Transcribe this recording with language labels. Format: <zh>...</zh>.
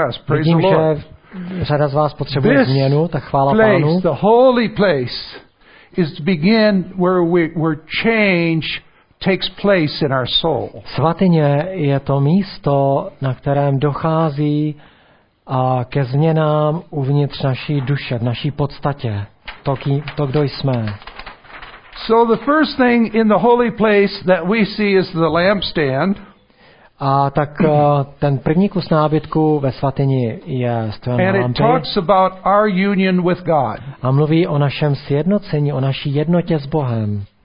<cs>Vidím, že řada z vás potřebuje změnu, tak chvála Pánu.</cs> <en>The holy place is to begin where change takes place in our soul.</en> <cs>Svatyně je to místo, na kterém dochází ke změnám uvnitř naší duše, v naší podstatě, to kdo jsme.</cs> <en>So the first thing in the holy place that we see is the lampstand.</en> <cs>A tak ten první kus nábytku ve svatyni je stojan lampy.</cs> <en>And it talks about our union with God.</en> <cs>A mluví o našem sjednocení, o naší jednotě s Bohem.</cs>